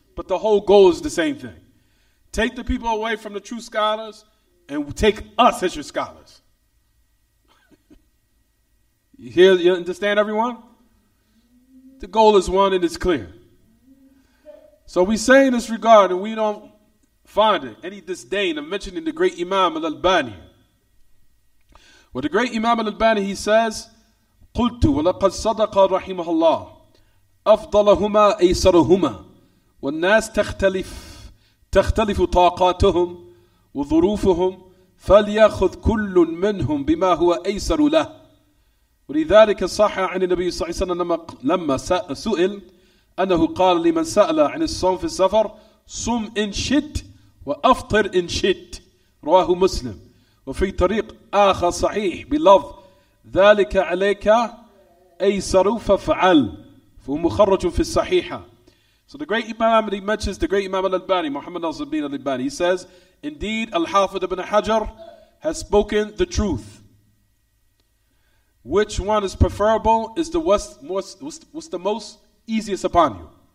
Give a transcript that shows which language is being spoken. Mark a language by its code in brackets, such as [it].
[en] But the whole goal is the same thing. Take the people away from the true scholars and take us as your scholars. You hear, you understand, everyone? The goal is one and it's clear. So we say in this regard, and we don't find it any disdain of mentioning the great Imam al-Albani. Well, the great Imam al-Albani, he says, [ar] قُلْتُ وَلَقَدْ صَدَقَ رَحِمَهَ اللَّهُ أَفْضَلَهُمَا أَيْسَرُهُمَا وَالنَّاسِ تَخْتَلِفُ طَاقَاتُهُمْ وَظُرُوفُهُمْ فَلْيَخُذْ كُلٌّ مِّنْهُمْ بِمَا هُوَ أَيْسَرُ لَهُ ولذلك صح عن النبي صلى الله عليه وسلم لما سئل أنه قال لمن سأل عن الصوم في السفر صم إن شئت وأفطر إن شئت رواه مسلم وفي طريق آخر صحيح بلفظ ذلك عليك أيسر ففعل فهو مخرج في الصحيحة. [en] So the great Imam, he mentions the great Imam al-Albani, Muhammad al-Zabin al-Albani, he says, indeed Al-Hafidh ibn Hajar has spoken the truth. Which one is preferable is the what's the most easiest upon you.